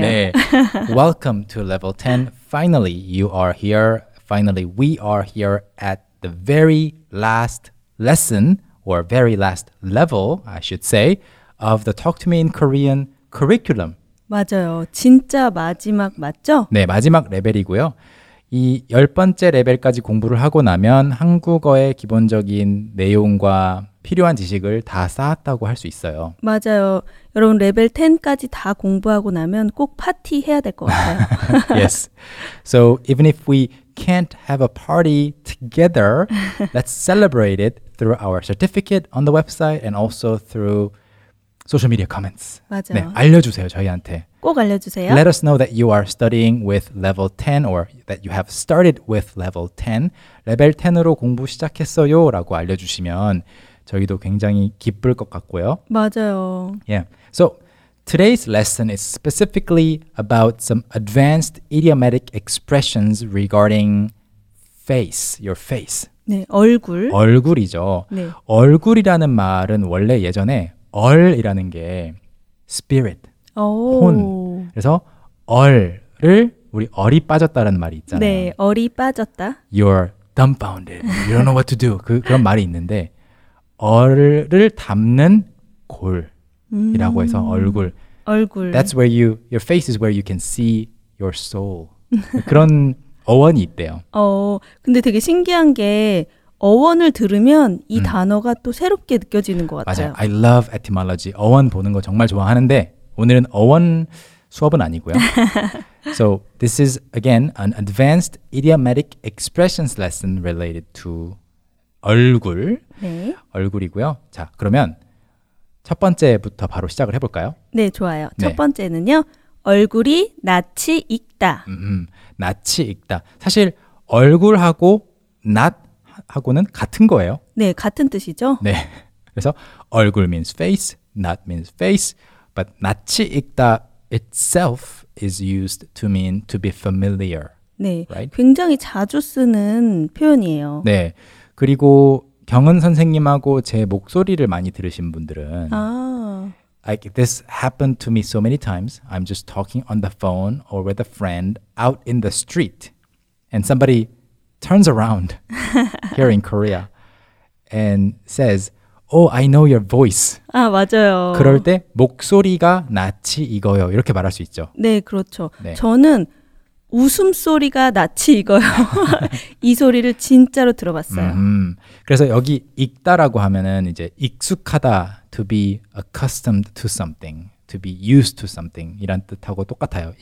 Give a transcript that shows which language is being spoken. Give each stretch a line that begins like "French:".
English: 네. Welcome to level 10. Finally, you are here. Finally, we are here at the very last lesson, or very last level, I should say, of the Talk to Me in Korean curriculum.
Korean: 맞아요. 진짜 마지막 맞죠? 네, 마지막 레벨이고요. 이 열 번째 레벨까지 공부를 하고 나면 한국어의 기본적인 내용과 필요한 지식을 다 쌓았다고 할 수 있어요. 맞아요. 여러분, 레벨 10까지 다 공부하고 나면 꼭 파티해야 될 것 같아요.
English: Yes. So even if we can't have a party together, let's celebrate it through our certificate on the website and also through social media comments.
Korean: 맞아요. 네, 알려주세요, 저희한테. 꼭 알려주세요.
English: Let us know that you are studying with level 10 or that you have started with level 10.
Korean: 레벨 10으로 공부 시작했어요 라고 알려주시면 저희도 굉장히 기쁠 것 같고요. 맞아요.
English: Yeah. So, today's lesson is specifically about some advanced idiomatic expressions regarding face, your face.
Korean: 네, 얼굴. 얼굴이죠. 네. 얼굴이라는 말은 원래 예전에 얼이라는 게 spirit, 오. 혼. 그래서 얼을, 우리 얼이 빠졌다라는 말이 있잖아요. 네, 얼이 빠졌다.
English: You're dumbfounded. You don't know what to do.
Korean: 그런 말이 있는데 얼을 담는 골이라고 해서 얼굴. 얼굴.
English: That's where you, your face is where you can see your soul.
Korean: 그런 어원이 있대요. 근데 되게 신기한 게 어원을 들으면 이 단어가 또 새롭게 느껴지는 것 같아요. 맞아요.
English: I love etymology.
Korean: 어원 보는 거 정말 좋아하는데 오늘은 어원 수업은 아니고요.
English: So this is again an advanced idiomatic expressions lesson related to 얼굴.
Korean: 네. 얼굴이고요. 자, 그러면 첫 번째부터 바로 시작을 해볼까요? 네, 좋아요. 네. 첫 번째는요. 얼굴이 낯이 익다. 낯이 익다. 사실 얼굴하고 낯하고는 같은 거예요. 네, 같은 뜻이죠.
English: 네. 그래서 얼굴 means face, 낯 means face. But 낯이 익다 itself is used to mean to be familiar.
Korean: 네,
English: right?
Korean: 굉장히 자주 쓰는 표현이에요. 네. 그리고 경은 선생님하고 제 목소리를 많이 들으신 분들은 아.
English: Like this happened to me so many times. I'm just talking on the phone or with a friend out in the street. And somebody turns around here in Korea and says, Oh, I know your voice.
Korean: 아, 맞아요. 그럴 때 목소리가 낯이 익어요. 이렇게 말할 수 있죠. 네, 그렇죠. 네. 저는 웃음소리가 낯이 익어요. 이 소리를 진짜로 들어봤어요. 그래서 여기 익다라고 하면은 이제 익숙하다,
English: to be accustomed to something,
Korean: to be used to something 이란 뜻하고 똑같아요.